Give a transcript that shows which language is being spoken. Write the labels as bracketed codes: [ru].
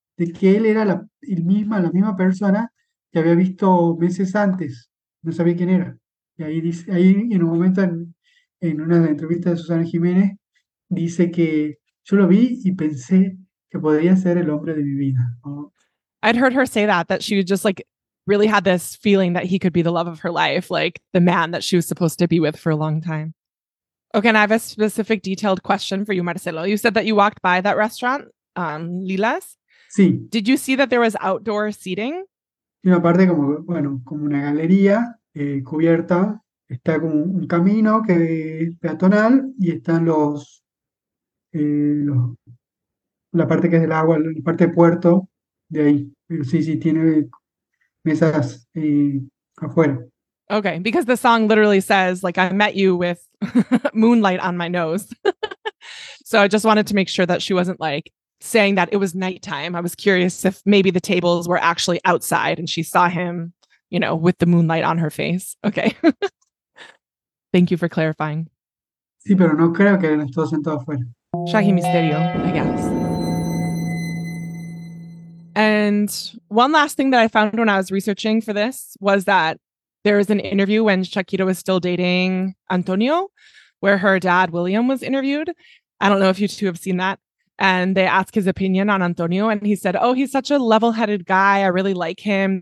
[es] de que él era la misma persona que había visto meses antes, no sabía quién era. Y ahí en un momento, en una entrevista de Susana Jiménez, dice que yo lo vi y pensé que podría ser el hombre de mi vida, ¿no? [en] I'd heard her say that she just like really had this feeling that he could be the love of her life, like the man that she was supposed to be with for a long time. Okay, and I have a specific detailed question for you, Marcelo. You said that you walked by that restaurant, Lilas. [es] Sí. [en] Did you see that there was outdoor seating? [es] Y una parte como, bueno, como una galería cubierta, está como un camino que es peatonal y están la parte que es del agua, la parte de puerto de ahí. Pero sí, tiene mesas afuera. [en] Okay, because the song literally says, like, I met you with moonlight on my nose. So I just wanted to make sure that she wasn't like saying that it was nighttime. I was curious if maybe the tables were actually outside and she saw him, with the moonlight on her face. Okay. Thank you for clarifying. [es] Sí, pero no creo que hayan estado sentados afuera. [en] Shahi Misterio, I guess. And one last thing that I found when I was researching for this was that there was an interview when Shakira was still dating Antonio, where her dad William was interviewed. I don't know if you two have seen that. And they asked his opinion on Antonio, and he said, "Oh, he's such a level-headed guy. I really like him.